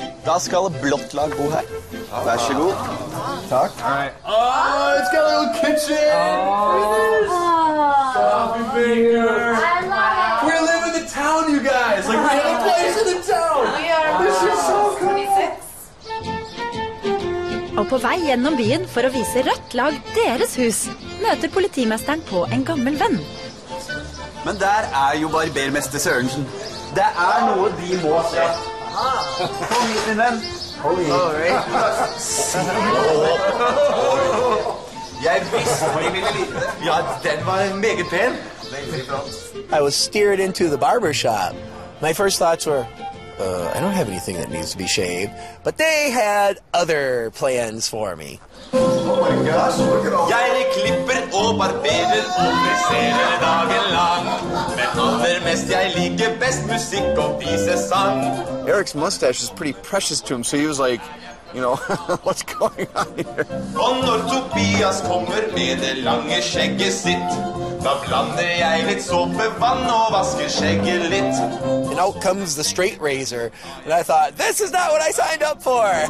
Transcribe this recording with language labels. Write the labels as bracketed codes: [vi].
[no] Da skal blått lag bo her. Vær så god. Takk. [en] Oh, it's got a little kitchen! Oh. I love it. We're living the town, you guys! Like, we have a place in the town! This is so cool! [no] Og på vei gjennom byen for å vise rødt lag deres hus, møter politimesteren på en gammel venn. Men der jo barbermester Sørensen. Det noe de må se. Kom hit, min venn. Kom hit. Jeg visste de ville vite. Ja, den var meget pen. [en] I was steered into the barber shop. My first thoughts were, I don't have anything that needs to be shaved. But they had other plans for me. Oh my gosh, look at all. [no] Jeg klipper og barberer og friserer dagen lang. Men aller mest jeg liker best musikk og vise sang. [en] Eric's mustache is pretty precious to him, so he was like, you know, what's going on here? [no] Og når Tobias kommer med det lange skjegget sitt, da blander jeg litt såpevann og vasker skjegget litt. [en] And out comes the straight razor. And I thought, this is not what I signed up for.